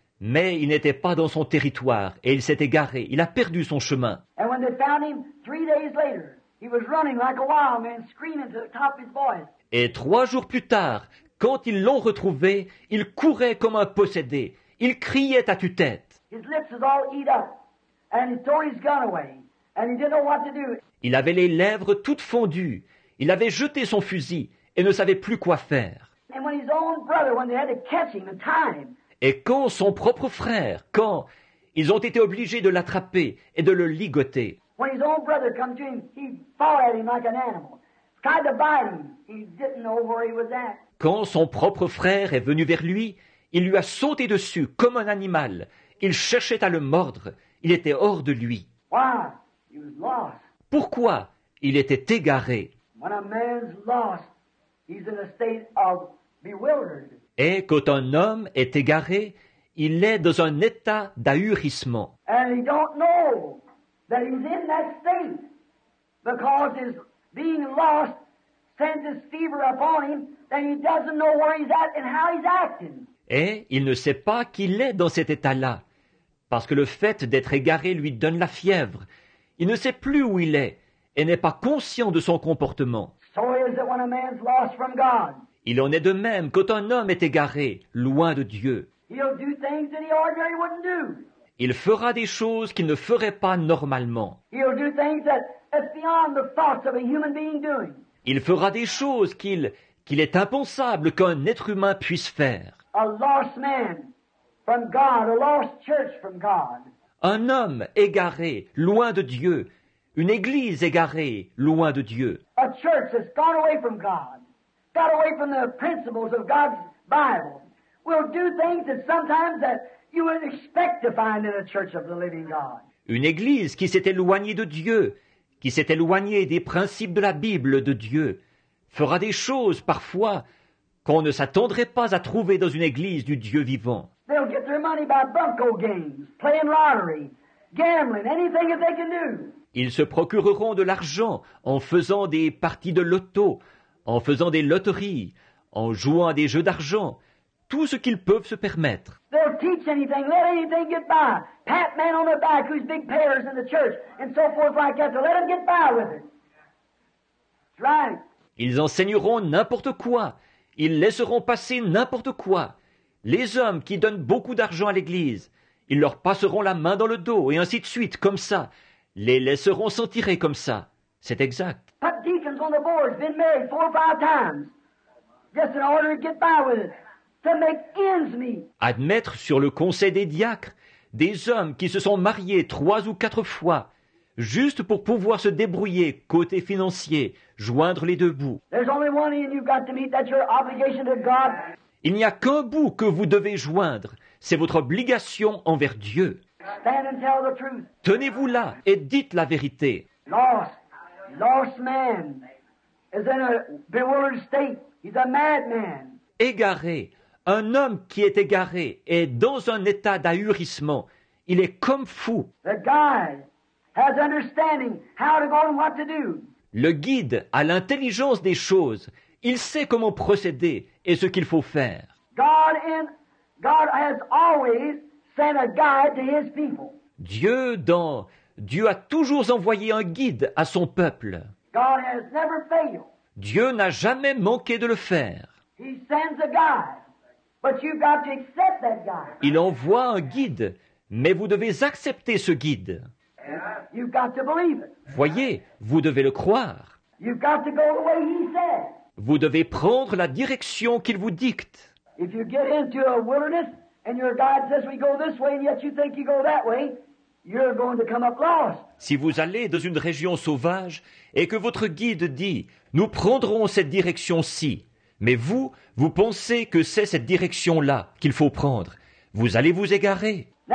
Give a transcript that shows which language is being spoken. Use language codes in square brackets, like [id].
[fr] Mais il n'était pas dans son territoire et il s'est égaré. Il a perdu son chemin. [en] And when they found him, 3 days later, he was running like a wild man, screaming to the top of his voice. [fr] Et 3 jours plus tard, quand ils l'ont retrouvé, il courait comme un possédé. Il criait à tue-tête. [en] His lips was all eat up, and he threw his gun away, and he didn't know what to do. [fr] Il avait les lèvres toutes fondues. Il avait jeté son fusil et ne savait plus quoi faire. [en] And when his own brother, when they had to catch him and tie him. [fr] Et quand son propre frère, quand ils ont été obligés de l'attraper et de le ligoter. [en] When his own brother came to him, he fought at him like an animal. Tried to bite him. He didn't know where he was at. [fr] Quand son propre frère est venu vers lui, il lui a sauté dessus comme un animal. Il cherchait à le mordre. Il était hors de lui. [en] Why? He was lost. [fr] Pourquoi? Il était égaré. [en] When a man's lost, he's in a state of bewildered. [fr] Et quand un homme est égaré, il est dans un état d'ahurissement. [en] And he don't know that he's in that state because his being lost sends his fever upon him. And he doesn't know where he's at and how he's acting. [fr] Et il ne sait pas qu'il est dans cet état-là, parce que le fait d'être égaré lui donne la fièvre. Il ne sait plus où il est et n'est pas conscient de son comportement. [en] So is it when a man's lost from God. [fr] Il en est de même quand un homme est égaré, loin de Dieu. [en] He'll do things that he ordinarily wouldn't do. [fr] Il fera des choses qu'il ne ferait pas normalement. [en] He'll do things that's beyond the thoughts of a human being doing. [fr] Il fera des choses qu'il est impensable qu'un être humain puisse faire. [en] A lost man from God, a lost church from God. [fr] Un homme égaré, loin de Dieu. Une église égarée, loin de Dieu. [en] A church that's gone away from God, got away from the principles of God's Bible, will do things that sometimes that you wouldn't expect to find in a church of the living God. [fr] Une église qui s'est éloignée de Dieu, qui s'est éloignée des principes de la Bible de Dieu, fera des choses parfois qu'on ne s'attendrait pas à trouver dans une église du Dieu vivant. [en] They'll get their money by bunco games, playing lottery, gambling, anything that they can do. [fr] Ils se procureront de l'argent en faisant des parties de loto, en faisant des loteries, en jouant à des jeux d'argent, tout ce qu'ils peuvent se permettre. [en] They'll teach anything, let anything get by. Pat man on the back who's big payers in the church and so forth like that. They'll let them get by with it. That's right. [fr] Ils enseigneront n'importe quoi. Ils laisseront passer n'importe quoi. Les hommes qui donnent beaucoup d'argent à l'église, ils leur passeront la main dans le dos et ainsi de suite, comme ça. Les laisseront s'en tirer comme ça. C'est exact. [en] Put deacons on the board, been married 4 or 5 times. Just in order to get by with it. To make ends meet. [fr] Admettre sur le conseil des diacres des hommes qui se sont mariés 3 ou 4 fois. Juste pour pouvoir se débrouiller côté financier, joindre les deux bouts. [en] There's only one end you've got to meet, that's your obligation to God. [fr] Il n'y a qu'un bout que vous devez joindre, c'est votre obligation envers Dieu. [en] Stand and tell the truth. [fr] Tenez-vous là et dites la vérité. [en] Lost man is in a bewildered state. He's a madman. [fr] Égaré, un homme qui est égaré est dans un état d'ahurissement. Il est comme fou. [en] The guy has understanding how to go and what to do. [fr] Le guide a l'intelligence des choses. Il sait comment procéder et ce qu'il faut faire. [en] God has always sent a guide to his people. [fr] Dieu a toujours envoyé un guide à son peuple. [en] God has never failed. [fr] Dieu n'a jamais manqué de le faire. [en] He sends a guide, but you've got to accept that guide. [fr] Il envoie un guide, mais vous devez accepter ce guide. [en] You've got to believe it. [fr] Voyez, vous devez le croire. [en] You've got to go the way he said. [fr] Vous devez prendre la direction qu'il vous dicte. [en] If you get into a wilderness and your guide says we go this way and yet you think you go that way, you're going to come up lost. [fr] Si vous allez dans une région sauvage et que votre guide dit « Nous prendrons cette direction-ci », mais vous, vous pensez que c'est cette direction-là qu'il faut prendre, vous allez vous égarer.